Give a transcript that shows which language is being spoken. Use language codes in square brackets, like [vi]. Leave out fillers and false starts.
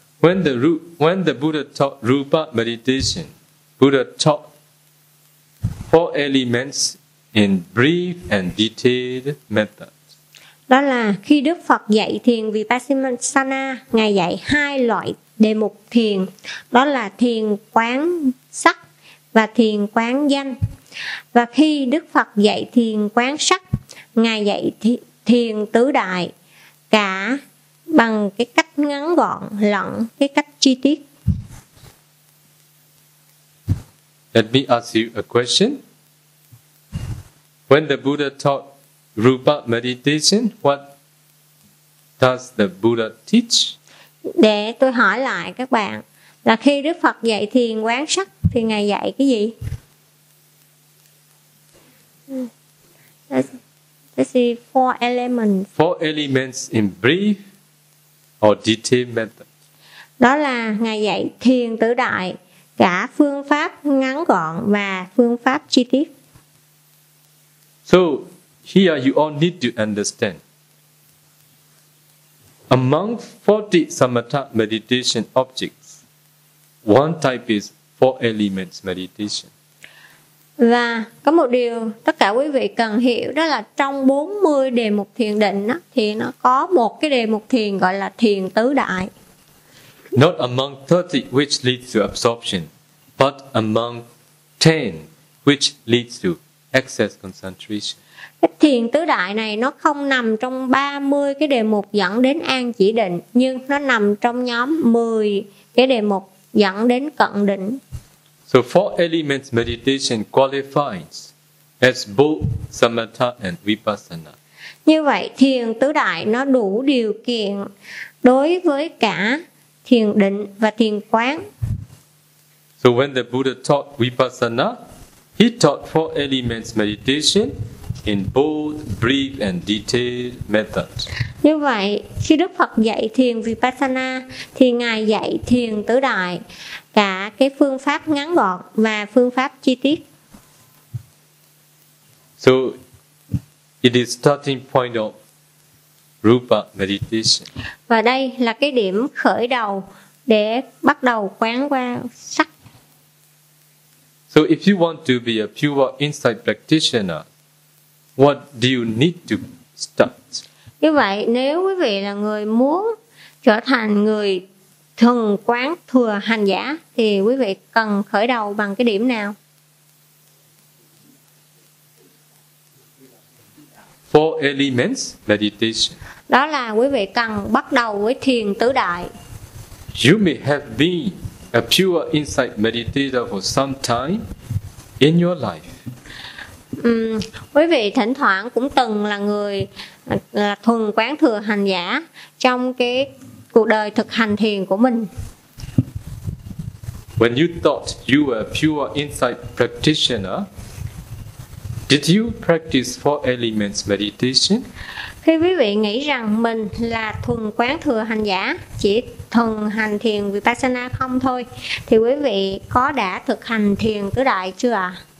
[en] When the Buddha taught rupa meditation, Buddha taught four elements in brief and detailed method. [vi] Đó là khi Đức Phật dạy thiền Vipassana, Ngài dạy hai loại đề mục thiền, đó là thiền quán sắc và thiền quán danh. Và khi Đức Phật dạy thiền quán sắc, Ngài dạy thiền tứ đại, cả bằng cái cách ngắn gọn lẫn cái cách chi tiết. [en] Let me ask you a question. When the Buddha taught rupa meditation, what does the Buddha teach? [vi] Để tôi hỏi lại các bạn, là khi Đức Phật dạy thiền quán sắc thì Ngài dạy cái gì? [en] This is four elements. Four elements in brief or detailed method. [vi] Đó là Ngài dạy thiền tứ đại, cả phương pháp ngắn gọn và phương pháp chi tiết. [en] So here you all need to understand. Among 40 samatha meditation objects, one type is four elements meditation. [vi] Và có một điều tất cả quý vị cần hiểu, đó là trong 40 đề mục thiền định đó, thì nó có một cái đề mục thiền gọi là thiền tứ đại. [en] Not among 30 which leads to absorption, but among 10 which leads to excess concentration. [vi] Cái thiền tứ đại này nó không nằm trong 30 cái đề mục dẫn đến an chỉ định, nhưng nó nằm trong nhóm 10 cái đề mục dẫn đến cận định. [en] So four elements meditation qualifies as both samatha and vipassana. [vi] Như vậy thiền tứ đại nó đủ điều kiện đối với cả thiền định và thiền quán. [en] So when the Buddha taught vipassana, he taught four elements meditation in both brief and detailed methods. [vi] Như vậy khi Đức Phật dạy thiền vipassana thì ngài dạy thiền tứ đại cả cái phương pháp ngắn gọn và phương pháp chi tiết. [en] So it is starting point of rupa meditation. [vi] Và đây là cái điểm khởi đầu để bắt đầu quán qua sắc. [en] So if you want to be a pure insight practitioner, what do you need to start? [vi] Như vậy, nếu quý vị là người muốn trở thành người thuần quán thừa hành giả thì quý vị cần khởi đầu bằng cái điểm nào? [en] Four elements meditation. [vi] Đó là quý vị cần bắt đầu với thiền tứ đại. [en] You may have been a pure insight meditator for some time in your life. [vi] Quý vị thỉnh thoảng cũng từng là người là thuần quán thừa hành giả trong cái cuộc đời thực hành thiền của mình. [en] When you thought you were a pure insight practitioner, did you practice four elements meditation? [vi] Khi quý vị nghĩ rằng mình là thuần quán thừa hành giả, chỉ thuần hành thiền vipassana không thôi, thì quý vị có đã thực hành thiền tứ đại chưa ạ?